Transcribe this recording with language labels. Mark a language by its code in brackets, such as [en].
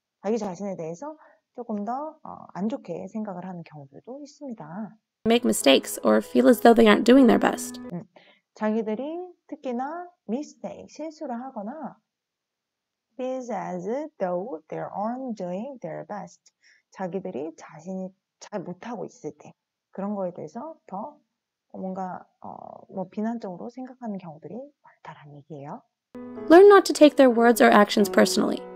[ko] 자기 자신에 대해서 조금 더안 좋게 생각을 하는 경우들도 있습니다. [en] make mistakes or feel as though they aren't doing their best. [ko] 자기들이 특히나 [en] mistake, [ko] 실수를 하거나 [en] feels as though they aren't doing their best. [ko] 자기들이 자신이 잘 못하고 있을 때. 그런 거에 대해서 더 뭔가 비난적으로 생각하는 경우들이 많다라는 얘기예요. [en] Learn not to take their words or actions personally.